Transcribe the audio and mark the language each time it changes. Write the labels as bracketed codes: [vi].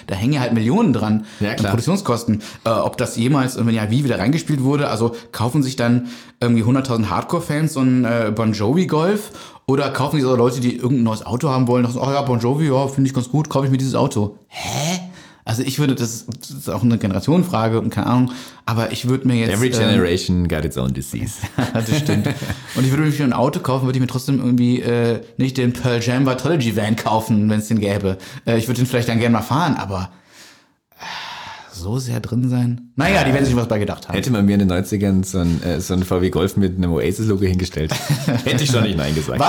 [de] Da hängen ja halt Millionen dran an Produktionskosten. Ob das jemals, wenn ja, wie wieder reingespielt wurde. Also kaufen sich dann irgendwie 100.000 Hardcore-Fans so ein Bon Jovi-Golf oder kaufen sich so Leute, die irgendein neues Auto haben wollen, sagen, oh ja, Bon Jovi, ja, finde ich ganz gut, kaufe ich mir dieses Auto. Hä? Also ich würde, das ist auch eine Generationenfrage und keine Ahnung, aber ich würde mir jetzt... [en] Every generation got its own disease. [de] Das stimmt. Und ich würde mir für ein Auto kaufen, würde ich mir trotzdem irgendwie nicht den Pearl Jam Vitology Van kaufen, wenn es den gäbe. Ich würde den vielleicht dann gerne mal fahren, aber so sehr drin sein. Naja, die werden sich was bei gedacht haben. Hätte man mir in den 90ern so ein VW Golf mit einem Oasis-Logo hingestellt, hätte ich schon nicht Nein gesagt.